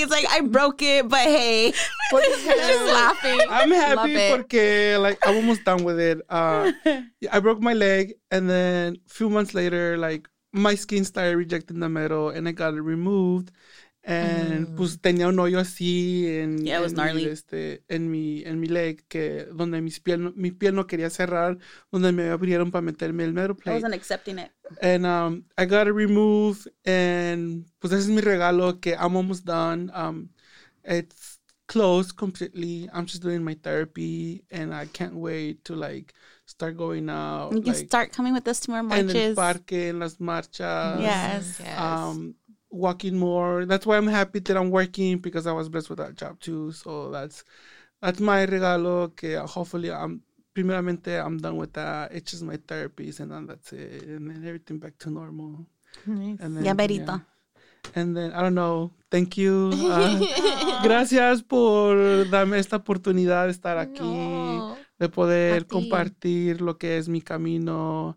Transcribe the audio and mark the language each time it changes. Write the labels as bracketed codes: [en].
[en] It's like, I broke it, but hey. She's laughing. I'm happy porque, like, I'm almost done with it. I broke my leg, and then a few months later, like, my skin started rejecting the metal, and I got it removed. [es] And pues tenía un hoyo así en, [en] yeah, it was gnarly. [es] En mi leg, que donde mi piel no quería cerrar, donde me abrieron para meterme el [en] metal plate. I wasn't accepting it. And I got it removed, and [es] pues ese es mi regalo, que [en] I'm almost done. It's closed completely. I'm just doing my therapy, and I can't wait to, like, start going out. You can start coming with us to more marches. [es] En el parque, en las marchas. [en] Yes. Walking more. That's why I'm happy that I'm working, because I was blessed with that job too. So that's my regalo, que hopefully primeramente I'm done with that. It's just my therapies, and then that's it, and then everything back to normal. Nice. And then, Yaberito. Yeah. And then, I don't know, thank you. [es] Gracias por darme esta oportunidad de estar aquí, de poder compartir lo que es mi camino.